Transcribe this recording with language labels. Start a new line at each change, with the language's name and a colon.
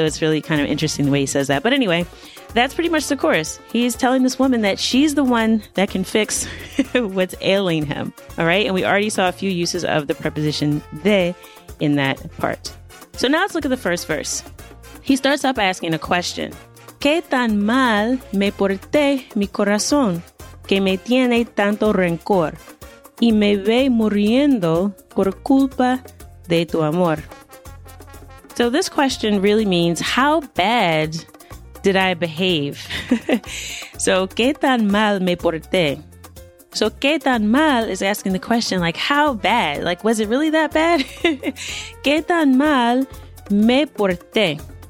English: So it's really kind of interesting the way he says that. But anyway, that's pretty much the chorus. He's telling this woman that she's the one that can fix what's ailing him, all right? And we already saw a few uses of the preposition de in that part. So now let's look at the first verse. He starts off asking a question.
Spanish: ¿Qué tan mal me porté mi corazón que me tiene tanto rencor y me ve muriendo por culpa de tu amor?
English: So this question really means, how bad did I behave? So,
Spanish: ¿qué tan mal me porté?
English: So,
Spanish: ¿qué tan mal
English: is asking the question, like, how bad? Like, was it really that bad?
Spanish: ¿Qué tan mal me porté?